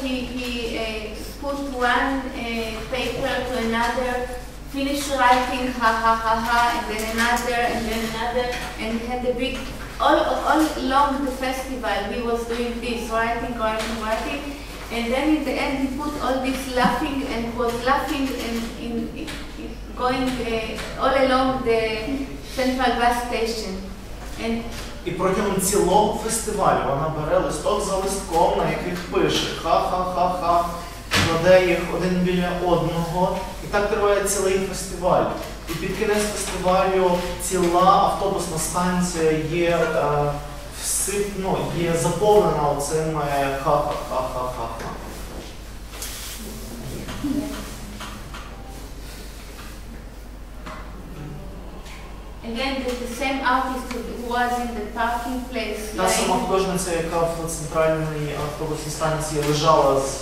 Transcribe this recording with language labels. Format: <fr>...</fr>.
<en>He put one paper to another, finished writing, ha ha ha ha, and then another, and then another, and he had a big all along the festival. He was doing this, writing, and then in the end he put all this laughing and was laughing and in going all along the Central Bus Station. And</en> <uk>і протягом цілого фестивалю вона бере листок за листком, на яких пише ха-ха-ха-ха, кладе їх один біля одного. І так триває цілий фестиваль. І під кінець фестивалю ціла автобусна станція є всипно, є заповнена оцим ха-ха-ха-ха-ха.</uk> <en>Again, the same artist who was in the parking place.</en> <uk>Та сама художниця, яка в центральній автобусній станції лежала з...</uk>